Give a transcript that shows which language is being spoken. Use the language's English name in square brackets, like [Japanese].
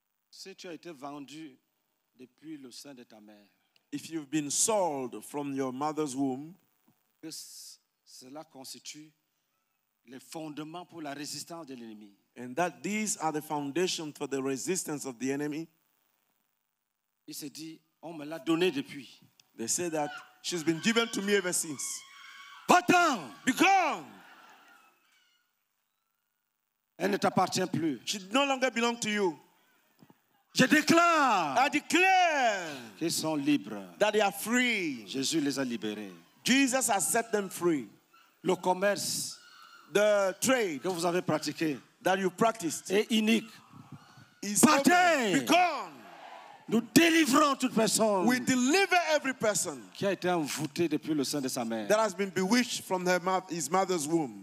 [French] si tu as été vendu depuis le sein de ta mère, [English] if you've been sold from your mother's womb, [French] que cela constitue les fondements pour la résistance de l'ennemi. [English] And that these are the foundations for the resistance of the enemy. [French] Il se dit, on me l'a donné depuis. [English] They say that she's been given to me ever since. [French] Va-t'en! [English] Be gone! [French] Elle ne t'appartient plus. [English] She no longer belongs to you. [French] Je déclare. [English] I declare. [French] Qu'ils sont libres. [English] That they are free. [French] Jésus les a libérés. [English] Jesus has set them free. [French] Le commerce. [English] The trade. [French] Que vous avez pratiqué. [English] That you practiced. [French] Est inique. [English] Is [French] partez. [English] Be gone. [French] Nous délivrons toute personne. [English] We deliver every person. [French] Qui a été envoûté depuis le sein de sa mère. [English] That has been bewitched from his mother's womb.